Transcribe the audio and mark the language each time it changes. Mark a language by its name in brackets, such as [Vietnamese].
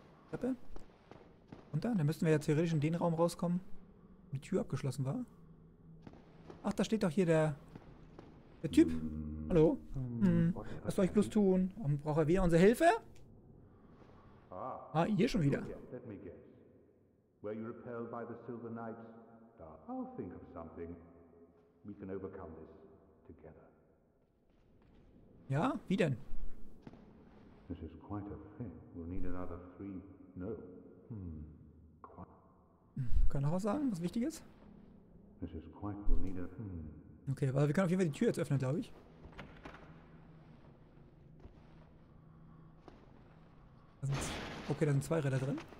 [German] Treppe. Runter. Dann müssten wir ja theoretisch in den Raum rauskommen, wo die Tür abgeschlossen war. Ach, da steht doch hier der Typ. Hallo? Was soll ich bloß tun? Und braucht er wieder unsere Hilfe? Ah, hier schon wieder. [English] Where you repelled by the Silver Knights? I'll think of something. We can overcome this together. [German] Ja, wie denn? [English] This is quite a thing. We'll need another three. No. Quite. [German] Kann noch was sagen, was wichtig ist? [English] This is quite, we'll need a. [German] Okay, aber wir können auf jeden Fall die Tür jetzt öffnen, glaube ich. Okay, da sind zwei Räder drin.